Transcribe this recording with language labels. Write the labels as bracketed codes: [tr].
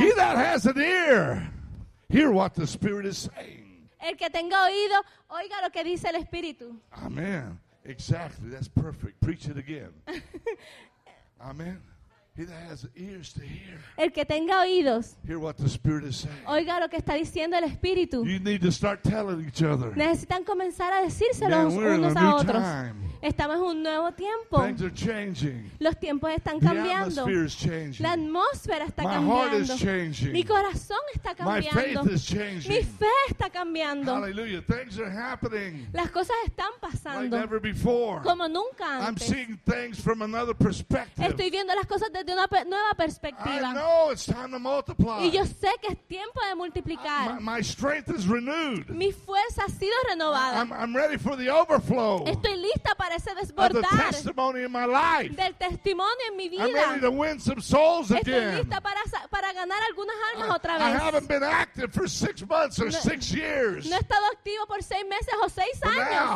[en] He that has an ear, hear what the Spirit is saying. [es] El que tenga oído, oiga lo que dice el Espíritu. [en] Amen. Exactly. That's perfect. Preach it again. Amen. He that has ears to hear. [es] El que tenga oídos. [en] Hear what the Spirit is saying. [es] Oiga lo que está diciendo el Espíritu. [en] You need to start telling each other. [es] Necesitan comenzar a decírselo unos a otros. [en] Time. [es] Estamos en un nuevo tiempo. [en] Things are changing. [es] Los tiempos están cambiando. [en] The atmosphere is changing. [es] La atmósfera está [en] My [es] cambiando. [en] Heart is changing. [es] Mi corazón está cambiando. [en] My faith is changing. [es] Mi fe está cambiando. [en] Hallelujah. Things are happening. [es] Las cosas están pasando. [en] Like never before. [es] Como nunca antes. [en] I'm seeing things from another perspective. [es] Estoy viendo las cosas de una nueva perspectiva. [en] I know it's time to multiply. [es] Y yo sé que es tiempo de multiplicar. [en] My strength is renewed. [es] Mi fuerza ha sido renovada. [en] I'm ready for the overflow. [es] Estoy lista para ese desbordar. [en] Of the testimony in my life. [es] Del testimonio en mi vida. [en] I'm ready to win some souls again. [es] Estoy lista para ganar algunas almas otra vez. [en] I haven't been active for 6 months or 6 years. [es] No he estado activo por 6 meses o 6 años.